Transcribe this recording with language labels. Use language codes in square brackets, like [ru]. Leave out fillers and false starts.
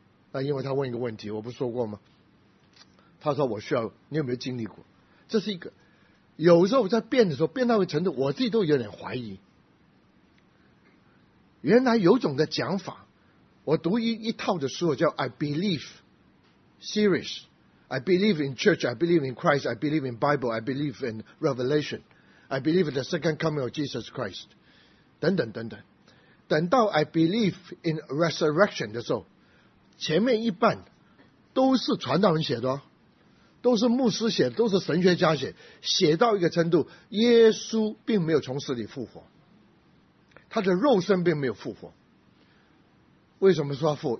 [zh] 那因为他问一个问题，我不说过吗？他说我需要，你有没有经历过？这是一个，有时候我在辩的时候，辩到个程度，我自己都有点怀疑。原来有种的讲法，我读一套的书叫 I Believe。 [en] Series, I believe in church, I believe in Christ, I believe in Bible, I believe in Revelation, I believe in the second coming of Jesus Christ, 等等等等。 [zh] 等到 [en] I believe in resurrection [zh] 的时候，前面一半都是传道人写的，都是牧师写的，都是神学家写，写到一个程度，耶稣并没有从死里复活，他的肉身并没有复活。为什么说复？